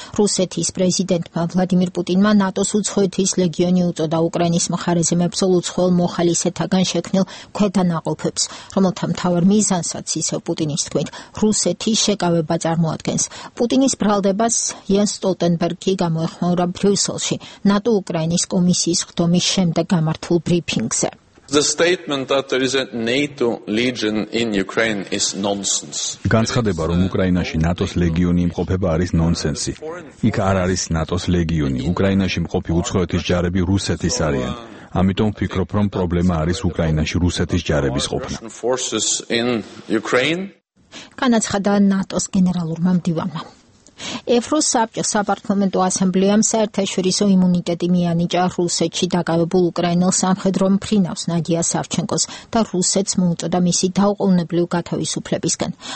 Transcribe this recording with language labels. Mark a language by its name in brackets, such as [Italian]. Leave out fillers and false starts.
[Georgian] რუსეთის პრეზიდენტმა ვლადიმირ პუტინმა ნატოს უცხოეთის ლეგიონი უწოდა უკრაინის მხარეზე მებრძოლ უცხოელ მოხალისეთაგან შექმნილ ქვედანაყოფებს, რომელთა მთავარ მიზანსაც, ისევ პუტინის თქმით, რუსეთის შეკავება წარმოადგენს. პუტინის ბრალდებას იენს სტოლტენბერგი გამოეხმაურა ბრიუსელში ნატო უკრაინის კომისიის ხდომის შემდეგ მართულ ბრიფინგზე. [English] The statement that there is a NATO legion in Ukraine is nonsense. [Georgian] განცხადება, რომ უკრაინაში ნატოს ლეგიონი იმყოფება, არის ნონსენსი. იქ არ არის ნატოს ლეგიონი, უკრაინაში მყოფი უცხოეთის ჯარები რუსეთის არიან. ამიტომ ვფიქრობ, რომ პრობლემა არის უკრაინაში რუსეთის ჯარების ყოფნა. განაცხადა ნატოს გენერალურმა მდივანმა. ევროსაბჭოს საპარლამენტო ასამბლეამ საერთაშორისო იმუნიტეტი მიანიჭა რუსეთში დაკავებულ უკრაინელ სამხედრო მფრინავს ნადია სავჩენკოს და რუსეთს მოუწოდა მისი დაუყოვნებლივ გათავისუფლებისგან.